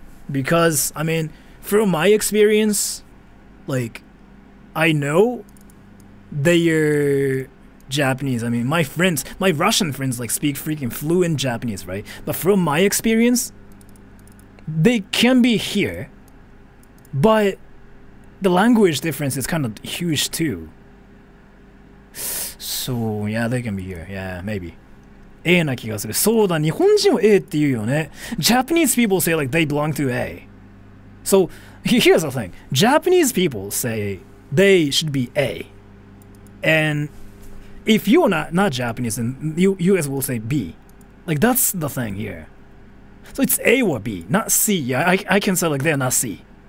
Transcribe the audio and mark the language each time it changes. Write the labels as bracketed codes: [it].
[en] Because, I mean, from my experience, like, I know their Japanese. I mean, my friends, my Russian friends, like, speak freaking fluent Japanese, right? But from my experience, they can be here. But the language difference is kind of huge, too. So, yeah, they can be here. Yeah, maybe. [ja] A な気がする。そうだ、日本人はAって言うよね。 [en] Japanese people say like they belong to A. So here's the thing. Japanese people say they should be A. And if you're not Japanese, then US will say B. Like that's the thing here. So it's A or B, not C. Yeah, I can say like they're not C.